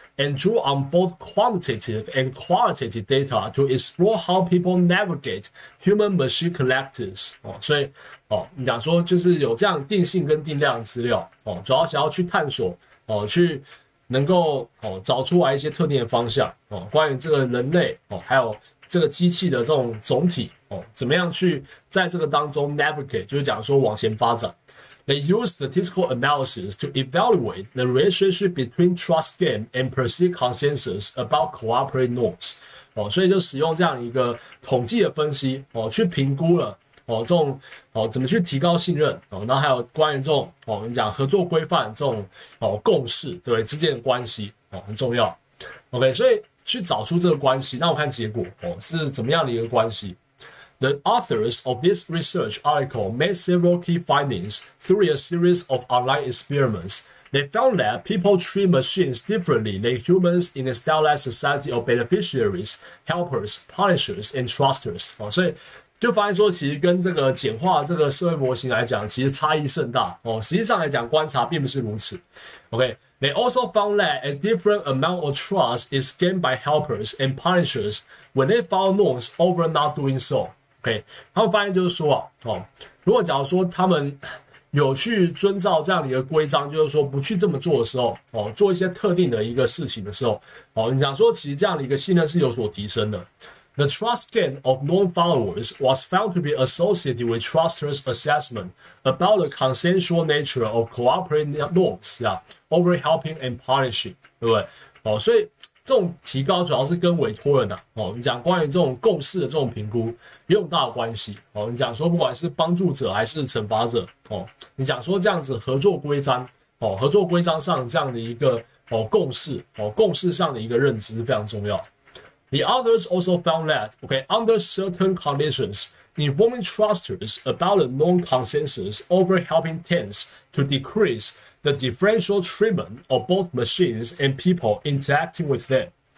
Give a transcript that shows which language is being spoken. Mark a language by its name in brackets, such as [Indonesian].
[English] And drew on both quantitative and qualitative data to explore how people navigate human-machine collectives. [Chinese] 哦，所以哦，你讲说就是有这样定性跟定量资料哦，主要想要去探索哦，去能够哦找出来一些特定的方向哦，关于这个人类哦，还有这个机器的这种总体哦，怎么样去在这个当中 navigate， 就是讲说往前发展。 [English] They use statistical analysis to evaluate the relationship between trust gain and perceived consensus about cooperative norms. [Chinese] 哦，所以就使用这样一个统计的分析哦，去评估了哦这种哦怎么去提高信任哦，然后还有关于这种哦我们讲合作规范这种哦共识对之间的关系哦很重要。 OK， 所以去找出这个关系，那我看结果哦是怎么样的一个关系。 [English] The authors of this research article made several key findings through a series of online experiments. They found that people treat machines differently than humans in a stylized society of beneficiaries, helpers, punishers, and trusters. [Chinese] 哦，所以就发现说，其实跟这个简化这个社会模型来讲，其实差异甚大。哦，实际上来讲，观察并不是如此。 OK。 [English] They also found that a different amount of trust is gained by helpers and punishers when they follow norms over not doing so. [Chinese] Okay, 他们发现就是说啊，哦，如果假如说他们有去遵照这样的一个规章，就是说不去这么做的时候，哦，做一些特定的一个事情的时候，哦，你讲说其实这样的一个信任是有所提升的。 [English] The trust gain of non-followers was found to be associated with trusters' assessment about the consensual nature of cooperating norms, yeah, over helping and punishing, [Chinese] 对不对？哦，所以这种提高主要是跟委托人啊，哦，你讲关于这种共识的这种评估也有大的关系。哦，你讲说不管是帮助者还是惩罚者，哦，你讲说这样子合作规章，哦，合作规章上这样的一个哦共识，哦，共识上的一个认知非常重要。 [English] The authors also found that, okay, under certain conditions, informing trusters about the known consensus over helping tends to decrease the differential treatment of both machines and people interacting with them.